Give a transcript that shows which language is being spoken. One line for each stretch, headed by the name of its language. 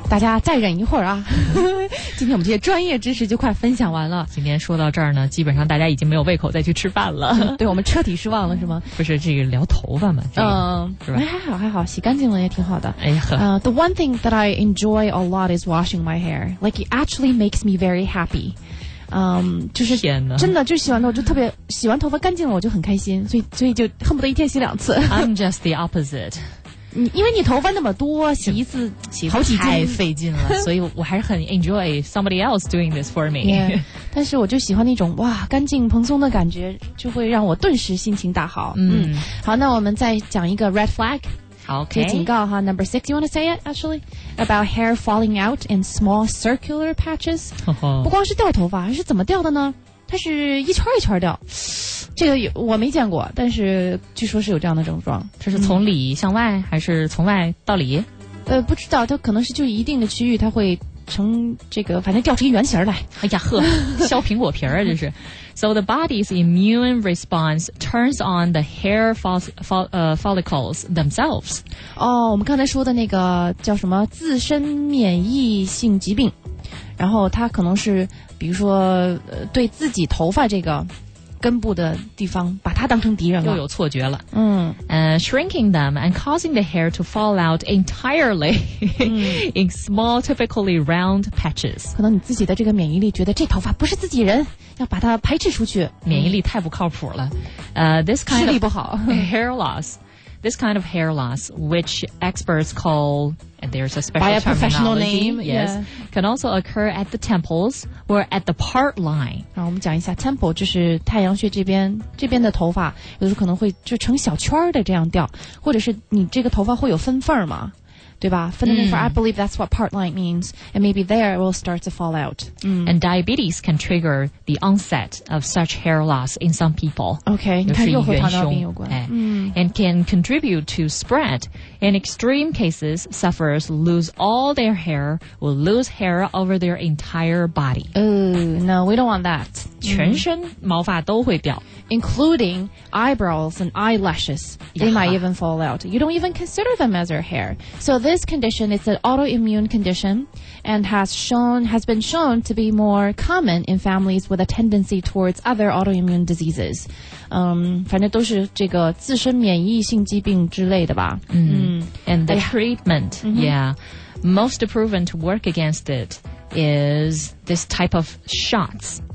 Chinese: 大家再忍一会儿啊，今天我们这些专业知识就快分享完了。今天说到这儿呢，基本上大家已经没有胃口再去吃饭了。对，我们彻底失望了是吗？不是，这个聊头发嘛，是吧？还好，洗干净了也挺好的。哎呵。
English: The one thing that I enjoy a lot is washing my hair. Like it actually makes me very happy.
Chinese: 就是真的就洗完头，就特别洗完头发干净了，我就很开心，所以就恨不得一天洗两次。
English: I'm just the opposite.
Chinese: 因为你头发那么多，洗一次洗好几太费劲了，所以我还是很
English: enjoy somebody else doing this for me. Yeah,
Chinese: 但是我就喜欢那种哇干净蓬松的感觉，就会让我顿时心情大好。好，那我们再讲一个 red flag.
English: OK,
Chinese: 警告哈
English: number six, you want to say it actually? About hair falling out in small circular patches.
Chinese: 不光是掉头发，是怎么掉的呢？它是一圈一圈掉。这个我没见过，但是据说是有这样的症状。这是从里向外，还是从外到里？不知道，它可能是就一定的区域，它会成这个，反正掉成一圆形来。哎呀呵，削苹果皮儿啊，这是。
English: So the body's immune response turns on the hair follicles themselves.
Chinese: 哦，我们刚才说的那个叫什么自身免疫性疾病，然后它可能是比如说对自己头发这个根部的地方把它当成敌人了，又有错觉了。
English: Shrinking them and causing the hair to fall out entirely in small, typically round patches.
Chinese: 可能你自己的这个免疫力觉得这头发不是自己人，要把它排斥出去。免疫力太不靠谱了。
English: This kind
Chinese: 视力不好
English: of hair loss, this kind of hair loss, which experts call, and there's a special By a professional terminology, name, yes,、 yeah. can also occur at the temples or at the part line.
Chinese: 然后我们讲一下 temple, 就是太阳穴这边的头发，有的时候可能会就成小圈的这样掉，或者是你这个头发会有分缝吗？对吧？分的那块
English: ，I believe that's what part line means, and maybe there it will start to fall out. And diabetes can trigger the onset of such hair loss in some people.
Chinese: Okay, 你看又和糖尿病有关。
English: And can contribute to spread. In extreme cases, sufferers lose all their hair, will lose hair over their entire body. No, we don't want that.
Chinese: 全身毛发都会掉。
English: Including eyebrows and eyelashes, they might even fall out. You don't even consider them as your hair. So this condition is an autoimmune condition and has been shown to be more common in families with a tendency towards other autoimmune diseases.
Chinese: 反正都是这个自身免疫性疾病之类的吧。
English: And the treatment, most proven to work against it is this type of shots.